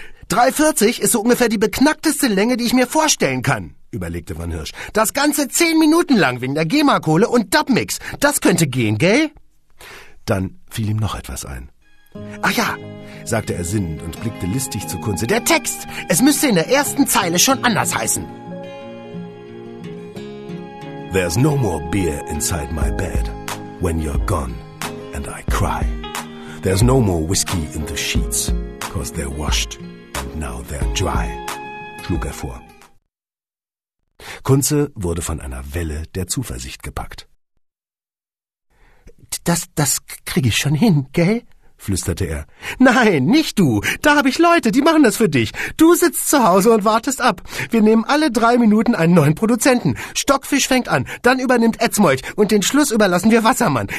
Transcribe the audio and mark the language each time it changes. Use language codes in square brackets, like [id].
[de] 3,40 ist so ungefähr die beknackteste Länge, die ich mir vorstellen kann, überlegte Van Hirsch. Das Ganze 10 Minuten lang wegen der GEMA-Kohle und Dubmix. Das könnte gehen, gell? Dann fiel ihm noch etwas ein. Ach ja, sagte er sinnend und blickte listig zu Kunze. Der Text, es müsste in der ersten Zeile schon anders heißen. [en] There's no more beer inside my bed when you're gone and I cry. There's no more whiskey in the sheets, cause they're washed and now they're dry, [de] schlug er vor. Kuntze wurde von einer Welle der Zuversicht gepackt. Das kriege ich schon hin, gell?« flüsterte er. »Nein, nicht du. Da habe ich Leute, die machen das für dich. Du sitzt zu Hause und wartest ab. Wir nehmen alle 3 Minuten einen neuen Produzenten. Stockfisch fängt an, dann übernimmt Etzmeuth und den Schluss überlassen wir Wassermann.